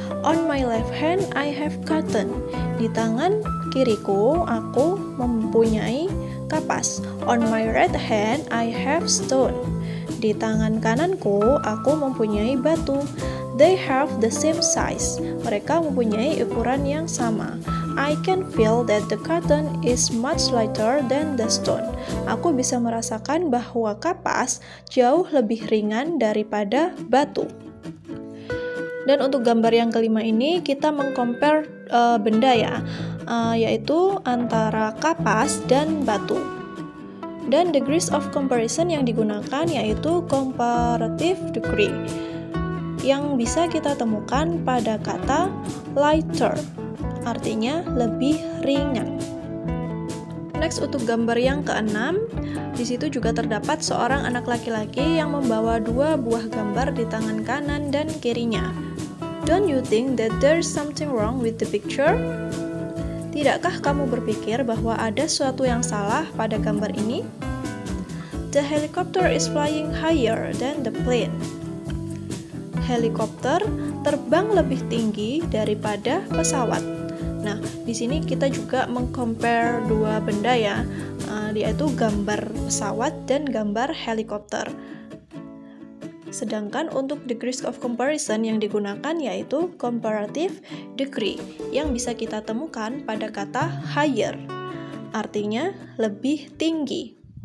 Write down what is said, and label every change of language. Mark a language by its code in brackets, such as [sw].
[en] On my left hand I have cotton. [id] Di tangan kiriku aku mempunyai kapas. [en] On my right hand I have stone. [id] Di tangan kananku aku mempunyai batu. [en] They have the same size. [id] Mereka mempunyai ukuran yang sama. [en] I can feel that the cotton is much lighter than the stone. [id] Aku bisa merasakan bahwa kapas jauh lebih ringan daripada batu. Dan untuk gambar yang kelima ini kita mengcompare benda ya, yaitu antara kapas dan batu. Dan degrees of comparison yang digunakan yaitu comparative degree, yang bisa kita temukan pada kata lighter, artinya lebih ringan. Next untuk gambar yang keenam, di situ juga terdapat seorang anak laki-laki yang membawa dua buah gambar di tangan kanan dan kirinya. [en] Don't you think that there's something wrong with the picture? [id] Tidakkah kamu berpikir bahwa ada sesuatu yang salah pada gambar ini? [en] The helicopter is flying higher than the plane. [id] Helikopter terbang lebih tinggi daripada pesawat. Nah, di sini kita juga mengcompare dua benda ya, yaitu gambar pesawat dan gambar helikopter. Sedangkan untuk degrees of comparison yang digunakan yaitu comparative degree, yang bisa kita temukan pada kata higher, artinya lebih tinggi.